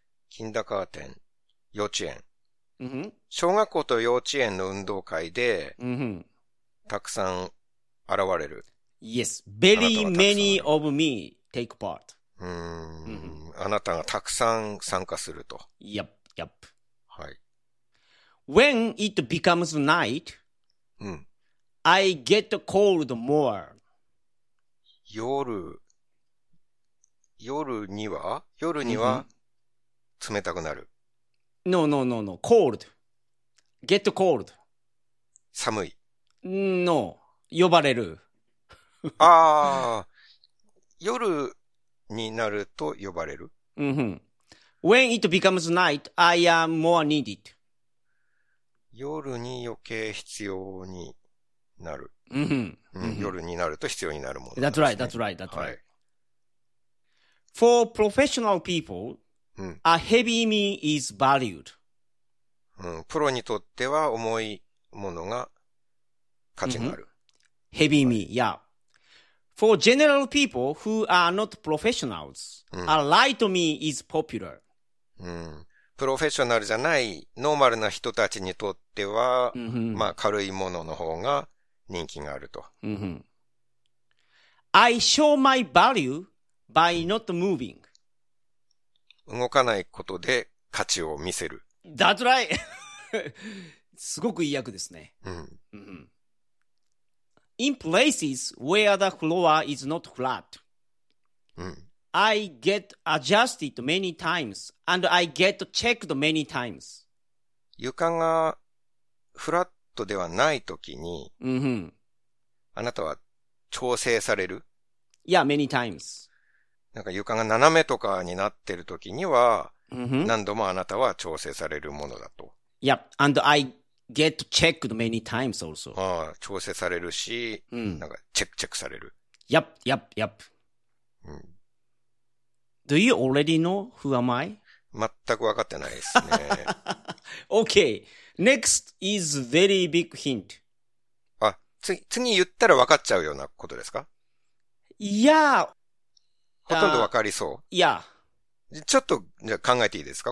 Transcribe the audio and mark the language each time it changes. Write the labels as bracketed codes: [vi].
[ja] キンダーガーデン、幼稚園。 Mm-hmm. 小学校と幼稚園の運動会で、 mm-hmm. たくさん現れる。 [en] Yes. Very many of me take part. [ja] あなたがたくさん参加すると。 [en] Yep, yep. [ja] はい。 [en] When it becomes night,、I get cold more. [ja] 夜には冷たくなる。 [en] No, no, no, no. Cold. Get cold. [ja] 寒い。 No. 呼ばれる。ああ、夜、になると呼ばれる。 Mm-hmm. [en] When it becomes night, I am more needed. [ja] 夜に余計必要になる。 Mm-hmm. 夜になると必要になるものなんですね。 [en] That's right, that's right, that's right. For professional people,、a heavy mean is valued.、 [ja] プロにとっては重いものが価値がある。 [en] Heavy mean, yeah. For general people who are not professionals,、a light me is popular.、 [ja] プロフェッショナルじゃないノーマルな人たちにとっては、まあ軽いものの方が人気があると。 [en] I show my value by not moving. [ja] 動かないことで価値を見せる。 [en] That's right! [ja] すごくいい役ですね。 [en] In places where the floor is not flat,、I get adjusted many times and I get checked many times. [ja] 床がフラットではないときに、あなたは調整される。 [en] Yeah, many times. [ja] なんか床が斜めとかになってる時には、mm-hmm. 何度もあなたは調整されるものだと。 [en] Yep, and I get checked many times also. [ja] ああ、調整されるし、mm. なんかチェックされる。 [en] Yep, yep, yep.、うん、Do you already know who am I? [ja] 全く分かってないですね。 [en] okay, next is very big hint. [ja] あ、次言ったら分かっちゃうようなことですか？いやー。ほとんど分かりそう。いや。ちょっと、じゃあ考えていいですか？